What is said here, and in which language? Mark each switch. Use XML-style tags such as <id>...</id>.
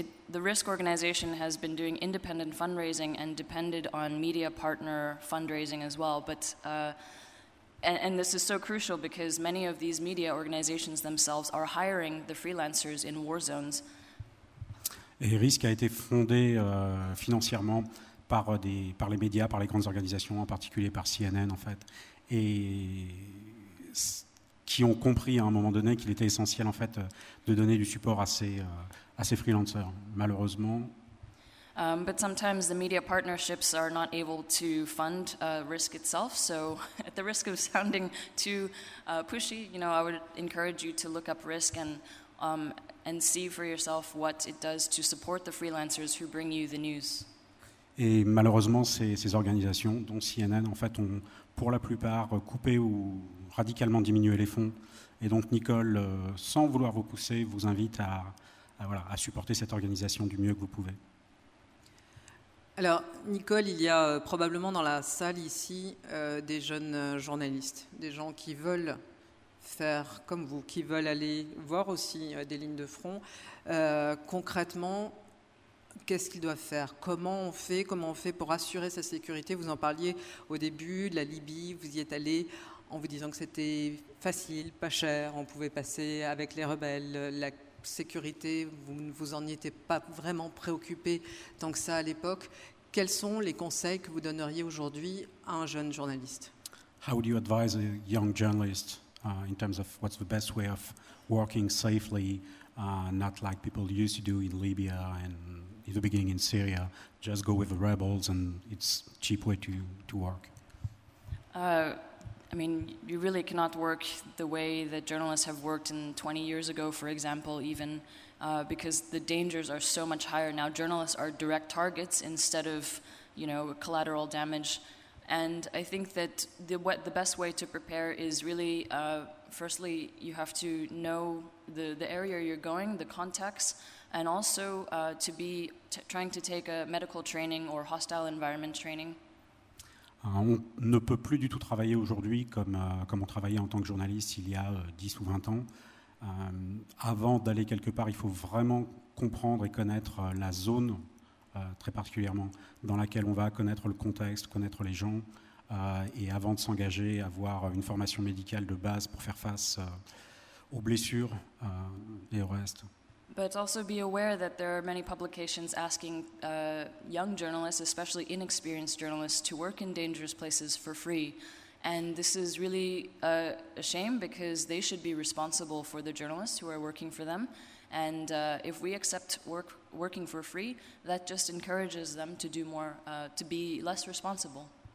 <en>The RISC organization has been doing independent fundraising and depended on media partner fundraising as well. But this is so crucial because many of these media organizations themselves are hiring the freelancers in war zones.</en> <fr>Et RISC a été fondé financièrement par les médias, par les grandes organisations, en particulier par CNN en fait, et qui ont compris à un moment donné qu'il était essentiel en fait de donner du support à ces freelancers. Malheureusement.</fr> <en>But sometimes the media partnerships are not able to fund RISC itself. So at the risk of sounding too pushy, you know, I would encourage you to look up RISC and see for yourself what it does to support the freelancers who bring you the news.</en> <fr>Et malheureusement, ces organisations, dont CNN, en fait, ont pour la plupart coupé ou radicalement diminué les fonds. Et donc Nicole, sans vouloir vous pousser, vous invite à supporter cette organisation du mieux que vous pouvez. Alors Nicole, il y a probablement dans la salle ici des jeunes journalistes, des gens qui veulent faire comme vous, qui veulent aller voir aussi des lignes de front. Concrètement, qu'est-ce qu'ils doivent faire? Comment on fait pour assurer sa sécurité? Vous en parliez au début de la Libye, vous y êtes allé en vous disant que c'était facile, pas cher, on pouvait passer avec les rebelles, la sécurité, vous ne vous en étiez pas vraiment préoccupé tant que ça à l'époque. Quels sont les conseils que vous donneriez aujourd'hui à un jeune journaliste?</fr> <en>How would you advise a young journalist in terms of what's the best way of working safely, not like people used to do in Libya and in the beginning in Syria, just go with the rebels and it's cheap way to work? I mean, you really cannot work the way that journalists have worked in 20 years ago, for example, even, because the dangers are so much higher. Now, journalists are direct targets instead of, you know, collateral damage. And I think that the best way to prepare is really, firstly, you have to know the area you're going, the context, and also to be trying to take a medical training or hostile environment training.</en> <fr>On ne peut plus du tout travailler aujourd'hui comme on travaillait en tant que journaliste il y a 10 ou 20 ans. Avant d'aller quelque part, il faut vraiment comprendre et connaître la zone, très particulièrement, dans laquelle on va, connaître le contexte, connaître les gens, et avant de s'engager, avoir une formation médicale de base pour faire face aux blessures et au reste.</fr> <en>But also be aware that there are many publications asking young journalists, especially inexperienced journalists, to work in dangerous places for free. And this is really a shame because they should be responsible for the journalists who are working for them. And if we accept working for free, that just encourages them to do more, to be less responsible.</en>